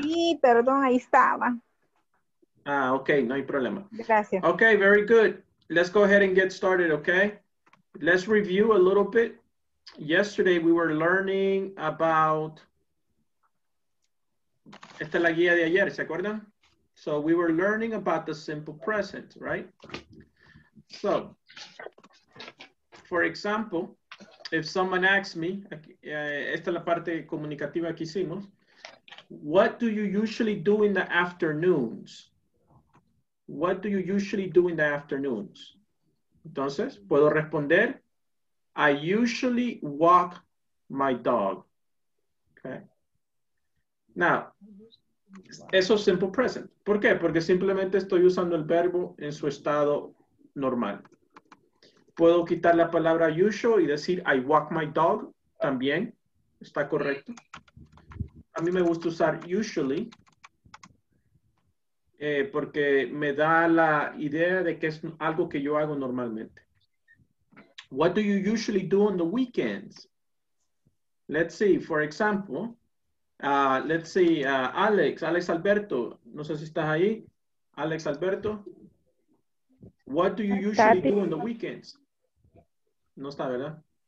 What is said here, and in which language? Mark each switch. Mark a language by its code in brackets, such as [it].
[es] Sí, perdón, ahí estaba. Ah, ok, no hay problema. Gracias. [en] Ok, very good. Let's go ahead and get started, ok? Let's review a little bit. Yesterday we were learning about... [es] Esta es la guía de ayer, ¿se acuerdan? [en] So we were learning about the simple present, right? So... For example, if someone asks me, esta es la parte comunicativa que hicimos, what do you usually do in the afternoons? What do you usually do in the afternoons? [es] Entonces, puedo responder, I usually walk my dog. Okay. Now, eso es simple present. ¿Por qué? Porque simplemente estoy usando el verbo en su estado normal. Puedo quitar la palabra usual y decir I walk my dog también. Está correcto. A mí me gusta usar usually porque me da la idea de que es algo que yo hago normalmente. [en] What do you usually do on the weekends? Let's see, for example, let's see, Alex Alberto, no sé si estás ahí. Alex Alberto, what do you usually do on the weekends? No está, ¿verdad?